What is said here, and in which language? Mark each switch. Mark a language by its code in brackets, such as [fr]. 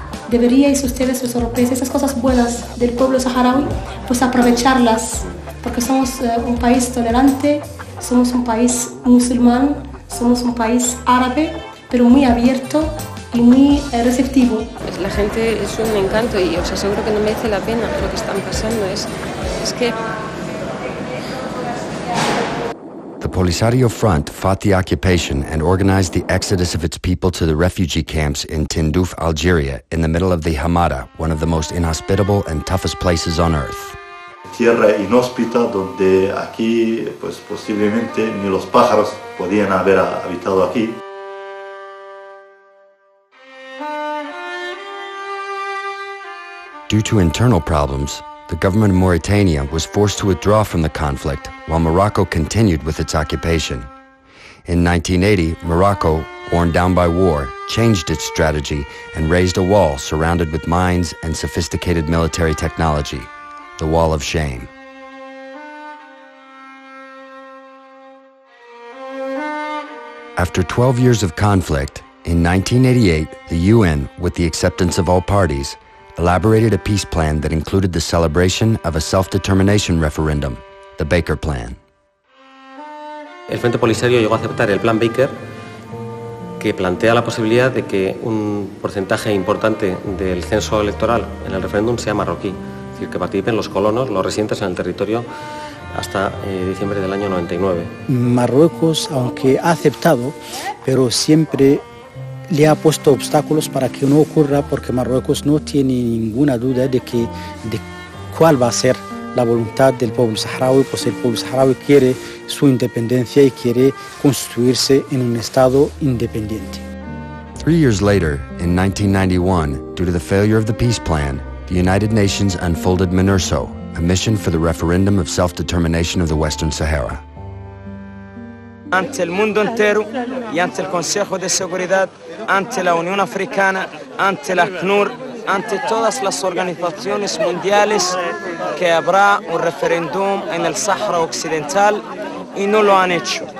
[es] Deberíais ustedes, los europeos, esas cosas buenas del pueblo saharaui, pues aprovecharlas, porque somos un país tolerante, somos un país musulmán, somos un país árabe, pero muy abierto y muy receptivo. La gente es un encanto y os aseguro que no merece la pena lo que están pasando. Es que... [en] The Polisario Front fought the occupation and organized the exodus of its people to the refugee camps in Tindouf, Algeria, in the middle of the Hamada, one of the most inhospitable and toughest places on earth. [es] Tierra inhóspita donde aquí, pues posiblemente ni los pájaros podían haber habitado aquí. [en] Due to internal problems, the government of Mauritania was forced to withdraw from the conflict while Morocco continued with its occupation. In 1980, Morocco, worn down by war, changed its strategy and raised a wall surrounded with mines and sophisticated military technology, the Wall of Shame. After 12 years of conflict, in 1988, the UN, with the acceptance of all parties, elaborated a peace plan that included the celebration of a self-determination referendum, the Baker Plan. [es] El Frente Polisario llegó a aceptar el Plan Baker, que plantea la posibilidad de que un porcentaje importante del censo electoral en el referéndum sea marroquí, es decir, que participen los colonos, los residentes en el territorio hasta diciembre del año 99. Marruecos, aunque ha aceptado, pero siempre le ha puesto obstáculos para que no ocurra, porque Marruecos no tiene ninguna duda de cuál va a ser la voluntad del pueblo saharaui, pues el pueblo saharaui quiere su independencia y quiere constituirse en un estado independiente. [en] 3 years later, in 1991, due to the failure of the peace plan, the United Nations unfolded MINURSO, a mission for the referendum of self-determination of the Western Sahara. [es] Ante el mundo entero y ante el Consejo de Seguridad, ante la Unión Africana, ante la ACNUR, ante todas las organizaciones mundiales, que habrá un referéndum en el Sahara Occidental, y no lo han hecho.